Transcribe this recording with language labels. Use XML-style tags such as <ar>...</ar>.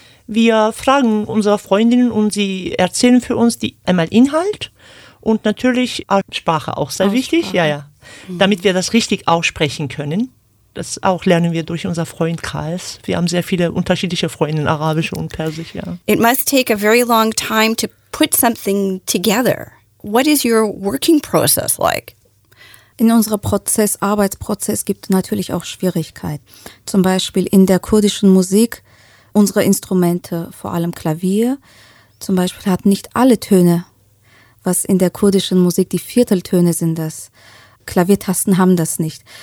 <de>Wir fragen unsere Freundinnen und sie erzählen für uns einmal Inhalt und natürlich Sprache auch sehr wichtig. Ja, ja. Damit wir das richtig aussprechen können. Das auch lernen wir durch unser Freundkreis. Wir haben sehr viele unterschiedliche Freunde, Arabische und Persische. Ja.</de> <en>It must take a very long time to put something together. What is your working process like?</en> <de>In unserem Arbeitsprozess gibt es natürlich auch Schwierigkeiten. Zum Beispiel in der kurdischen Musik, unsere Instrumente, vor allem Klavier, zum Beispiel hat nicht alle Töne, was in der kurdischen Musik die Vierteltöne sind, das Klaviertasten haben das nicht.</de>